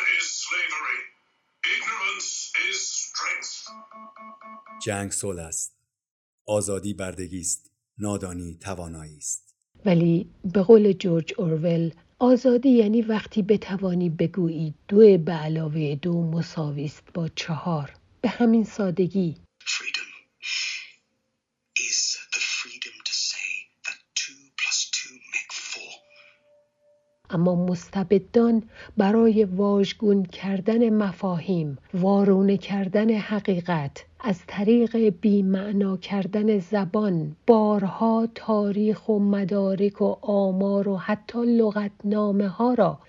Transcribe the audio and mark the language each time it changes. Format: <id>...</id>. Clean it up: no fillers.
<en>is slavery. Ignorance is strength.</en> <fa>جنگ صلح است. آزادی بردگی است. نادانی توانایی است. ولی به قول جورج اورول، آزادی یعنی وقتی بتوانی بگویی دو به علاوه دو مساوی است با چهار. به همین سادگی.</fa> <en>Freedom is the freedom to say that 2 + 2 = 4.</en> <fa>اما مستبدان برای واژگون کردن مفاهیم، وارونه کردن حقیقت، از طریق بی‌معنا کردن زبان، بارها تاریخ و مدارک و آمار و حتی لغتنامه ها را</fa>